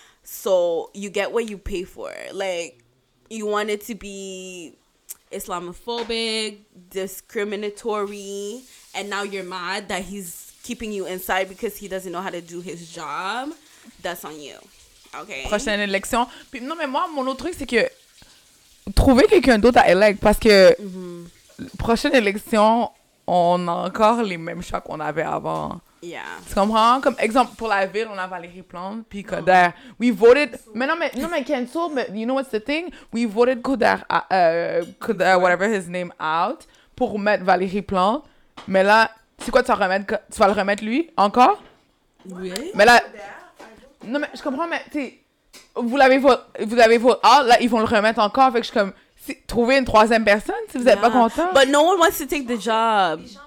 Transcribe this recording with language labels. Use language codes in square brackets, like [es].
[en] So you get what you pay for. Like, you want it to be Islamophobic, discriminatory, and now you're mad that he's keeping you inside because he doesn't know how to do his job, that's on you. Okay. [fr] Prochaine élection. Puis, non, mais moi, mon autre truc, c'est que trouver quelqu'un d'autre à élect parce que prochaine élection, on a encore les mêmes choix qu'on avait avant. [en] Yeah. [fr] Tu comprends? Comme exemple, pour la ville, on a Valérie Plante puis Coderre. [en] Oh. We voted... [fr] Mais non, mais... Non, mais [en] Kenzo, but you know what's the thing? We voted Coderre... Coderre, whatever his name, out [fr] pour mettre [en] Valérie Plante. [fr] Mais là, c'est quoi, tu vas remettre... Tu vas le remettre, lui, encore? Oui. Mais là... Non, mais je comprends, mais, tu sais... vous l'avez voté out, là, ils vont le remettre encore. Fait que je suis comme... Si, trouver une troisième personne, si vous n'êtes pas content. [en] But no one wants to take the job.